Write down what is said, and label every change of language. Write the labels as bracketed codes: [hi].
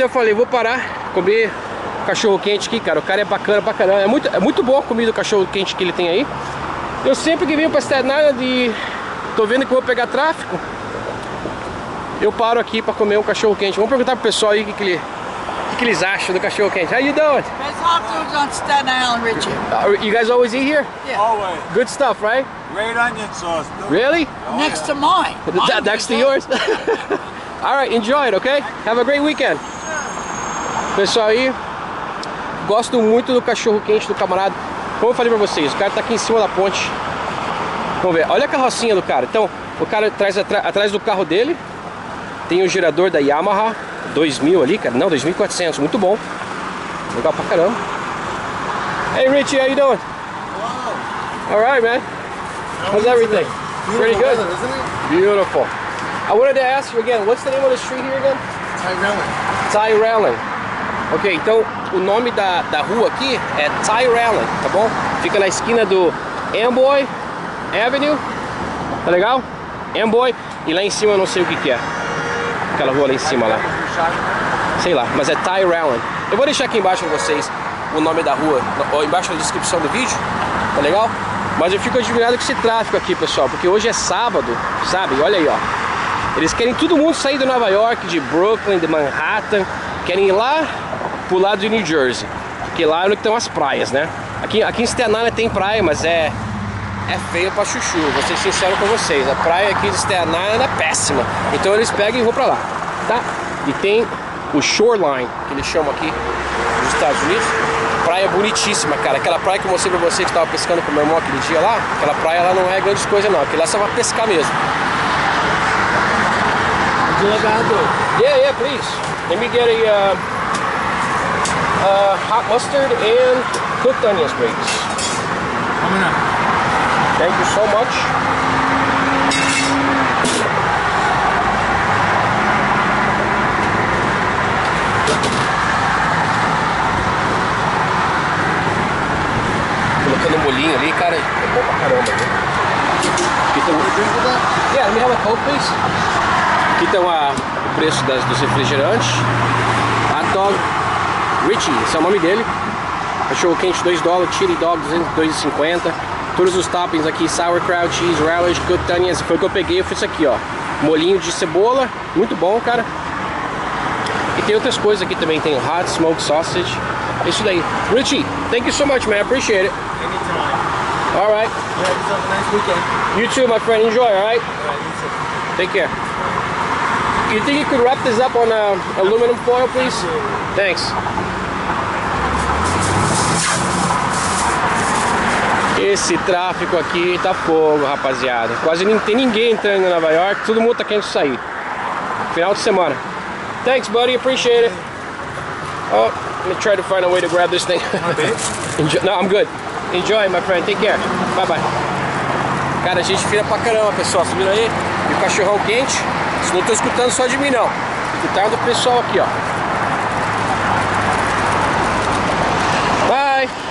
[pt] Então eu falei, vou parar, comer cachorro quente aqui, cara. O cara é bacana pra caramba. É muito boa a comida, o cachorro quente que ele tem aí. Eu sempre que venho pra Staten Island e tô vendo que vou pegar tráfego, eu paro aqui pra comer um cachorro quente. Vamos perguntar pro pessoal aí o que eles acham do cachorro quente. [en] How you doing? It's hot food on Staten Island, Richie. You guys always eat here? Yeah. Always. Good stuff, right? Great onion sauce, though. Really? Oh, next yeah. to mine. That, next to yours? All right, enjoy it, okay? Have a great weekend. [pt] Pessoal aí, gosto muito do cachorro quente do camarada. Como eu falei pra vocês, o cara tá aqui em cima da ponte. Vamos ver. Olha a carrocinha do cara. Então, o cara traz atrás do carro dele. Tem o gerador da Yamaha 2000 ali, cara. Não, 2400. Muito bom. Legal pra caramba. [en] Hey, Richie, how you doing? Wow. All right, man. How's everything? Pretty good. Beautiful. I wanted to ask you again, what's the name of the street here again? Ty Rowland. Ty Rowland. [pt] Ok, então o nome da rua aqui é Ty Rowland, tá bom? Fica na esquina do Amboy Avenue, tá legal? Amboy, e lá em cima eu não sei o que é. Aquela rua lá em cima lá. Sei lá, mas é Ty Rowland. Eu vou deixar aqui embaixo pra vocês o nome da rua, ou embaixo na descrição do vídeo, tá legal? Mas eu fico admirado com esse tráfego aqui, pessoal, porque hoje é sábado, sabe? Olha aí, ó. Eles querem todo mundo sair de Nova York, de Brooklyn, de Manhattan. Querem ir lá pro lado de New Jersey, porque lá é onde estão as praias, né? Aqui em Staten Island tem praia, mas é feio pra chuchu, vou ser sincero com vocês. A praia aqui de Staten Island é péssima. Então eles pegam e vão pra lá, tá? E tem o Shoreline, que eles chamam aqui nos Estados Unidos. Praia bonitíssima, cara. Aquela praia que eu mostrei pra vocês que tava pescando com meu irmão aquele dia lá. Aquela praia lá não é grande coisa não, aquele lá só vai pescar mesmo. [en] Yeah, please. Let me get a hot mustard and cooked onions, please. Coming up. Thank you so much. [pt] Colocando um bolinho ali, cara. É bom pra caramba. [en] Yeah, let me have a Coke, please. [pt] Aqui tem o preço dos refrigerantes. Hot dog Richie, esse é o nome dele. Cachorro quente 2 dólares, chili dog 2,50. Todos os toppings aqui, sauerkraut, cheese, relish, cooked onions. Foi o que eu peguei, eu fiz isso aqui, ó. Molinho de cebola, muito bom, cara. E tem outras coisas aqui também, tem hot smoked sausage. Isso daí. [en] Richie, thank you so much, man. I appreciate it. Anytime. All right. You have yourself a nice weekend. You too, my friend. Enjoy, all right? All right, you too. Take care. You think you could wrap this up on aluminum foil, please? Thanks. [pt] Esse tráfego aqui tá fogo, rapaziada. Quase não tem ninguém entrando em Nova York. Todo mundo tá querendo sair. Final de semana. [en] Thanks, buddy. Appreciate it. Oh, let me try to find a way to grab this thing. Enjoy. No, I'm good. Enjoy, my friend. Take care. Bye-bye. [pt] Cara, a gente fica pra caramba, pessoal. Subindo aí. E o cachorrão quente. Isso não estou escutando só de mim, não. Escutando o pessoal aqui, ó. [en] Bye!